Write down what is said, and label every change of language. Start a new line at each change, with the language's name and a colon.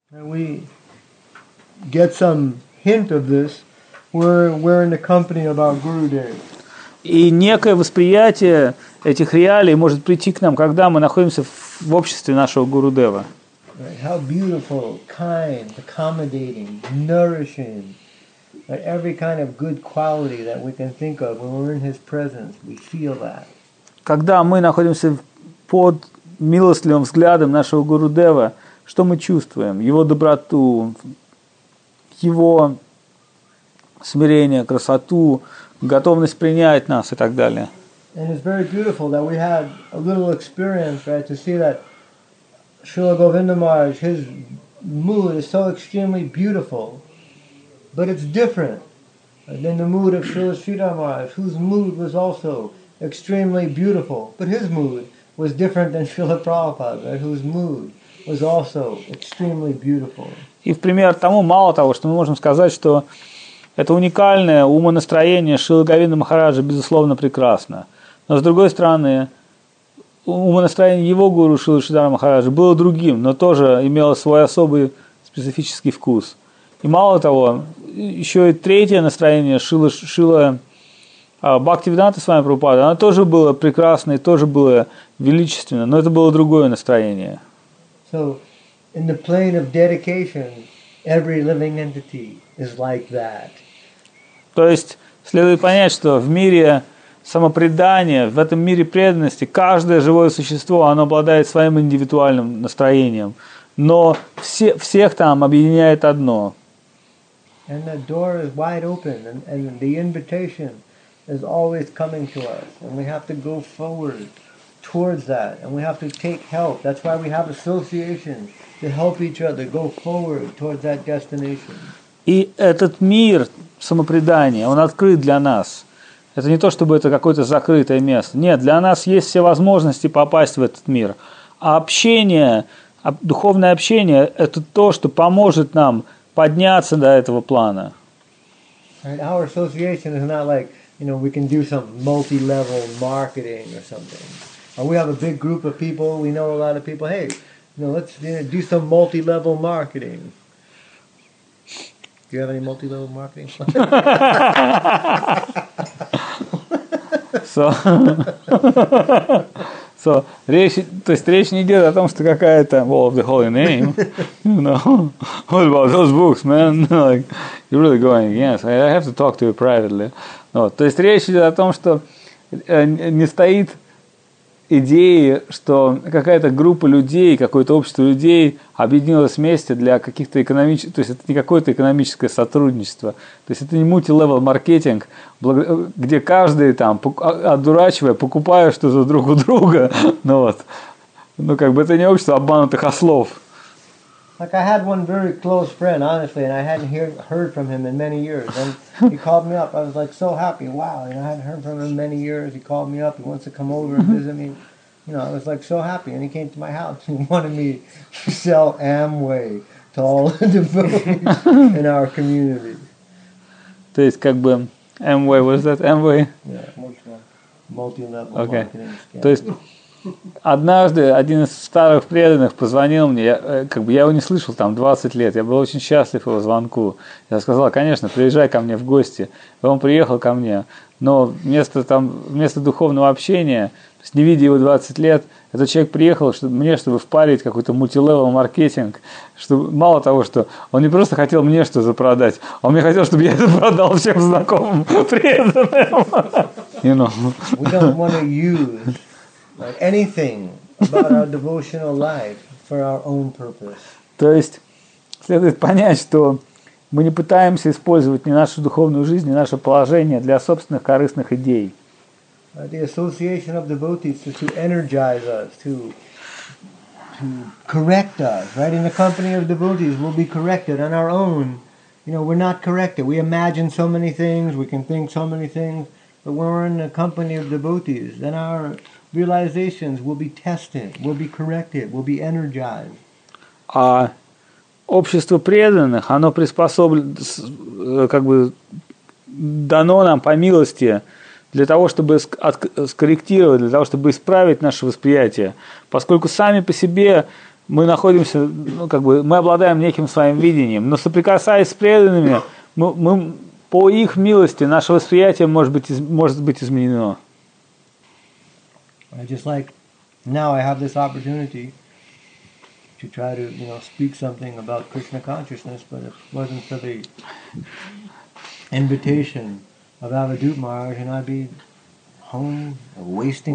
English: And we get some hint of this. We're in the company of our Guru Dev.
Russian: И некое восприятие этих реалий может прийти к нам, когда мы находимся в обществе нашего Гуру Дева.
English: How beautiful, kind, accommodating, nourishing. Every kind of good quality that we can think of, when we're in His presence, we feel that.
Russian: Когда мы находимся под милостливым взглядом нашего Гуру Дева, что мы чувствуем? Его доброту, его смирение, красоту, готовность принять нас и так далее.
English: And it's very beautiful that we had a little experience, right, to see that Srila Govinda Maharaj, his mood is so extremely beautiful. But it's different than the mood of Srila Sridhar Maharaj, whose mood was also extremely beautiful. But his mood was different than Srila Prabhupada, right, whose mood was also extremely beautiful.
Russian: И в пример тому, мало того, что мы можем сказать, что это уникальное умонастроение Шрилы Говинды Махараджа, безусловно, прекрасно. Но с другой стороны, умонастроение его гуру Шрилы Сридхара Махараджа было другим, но тоже имело свой особый специфический вкус. И мало того, еще и третье настроение Шрилы Бхактивиданты с вами Прабхупады, оно тоже было прекрасно и тоже было величественно, но это было другое настроение.
English: So, in the plane of dedication, every living entity is like that.
Russian: То есть, следует понять, что в мире самопредания, в этом мире преданности, каждое живое существо, оно обладает своим индивидуальным настроением. Но всех там объединяет одно.
English: And the door is wide open, and the invitation is always coming to us. And we have to go forward towards that, and we have to take help. That's why we have associations to help each other go forward towards that destination.
Russian: И этот мир самопредания, он открыт для нас. Это не то, чтобы это какое-то закрытое место. Нет, для нас есть все возможности попасть в этот мир. А общение, духовное общение, это то, что поможет нам подняться до этого плана.
English: Right, our association is not like, you know, we can do some multi-level marketing or something. Or we have a big group of people, we know a lot of people. Hey, you know, let's, you know, do some multi-level marketing. Do you have any multi-level marketing plans?
Russian: So, речь, то есть речь не идет о том, что какая-то
English: Wall of the Holy Name, you know. What about those books, man? Like, you're really going against. I have to talk to you privately.
Russian: No, то есть речь идет о том, что не стоит идеи, что какая-то группа людей, какое-то общество людей объединилось вместе для каких-то экономических... То есть это не какое-то экономическое сотрудничество. То есть это не мульти-левел маркетинг, где каждый там, одурачивая, покупая что-то друг у друга. Ну вот. Ну как бы это не общество обманутых ослов.
English: Like I had one very close friend, honestly, and I hadn't heard from him in many years. And he called me up. I was like so happy. Wow, you know, I hadn't heard from him in many years. He called me up. He wants to come over and visit me. You know, I was like so happy. And he came to my house. He wanted me to sell Amway to all the devotees in our community.
Russian: То есть как бы Amway,
English: what is that? Amway? Yeah, multi-level okay. Marketing scam.
Russian: То есть... Однажды один из старых преданных позвонил мне, я его не слышал там 20 лет, я был очень счастлив его звонку. Я сказал, конечно, приезжай ко мне в гости. И он приехал ко мне, но вместо духовного общения, то есть не видя его 20 лет, этот человек приехал чтобы впарить какой-то мультилевел маркетинг, чтобы мало того, что он не просто хотел мне что-то продать, он мне хотел, чтобы я это продал всем знакомым преданным.
English: You know. We don't want to use like anything about our devotional life for our own purpose.
Russian: То есть следует понять, что мы не пытаемся использовать ни нашу духовную жизнь, ни наше положение для собственных корыстных идей.
English: The association of devotees is to energize us, to correct us, right? In the company of devotees, we'll be corrected on our own. You know, we're not corrected. We imagine so many things, we can think so many things, but when we're in the company of devotees, then our realizations will be tested, will be corrected, will be energized.
Russian: А общество преданных, оно приспособлено, как бы дано нам по милости для того, чтобы скорректировать, для того, чтобы исправить наше восприятие. Поскольку сами по себе мы находимся, ну, как бы, мы обладаем неким своим видением, но соприкасаясь с преданными, мы по их милости наше восприятие может быть изменено.
English: Just like now I have this opportunity to try to, you know, speak something about Krishna consciousness, but if it wasn't for the invitation of Avadhut Maharaj, and I'd be home wasting.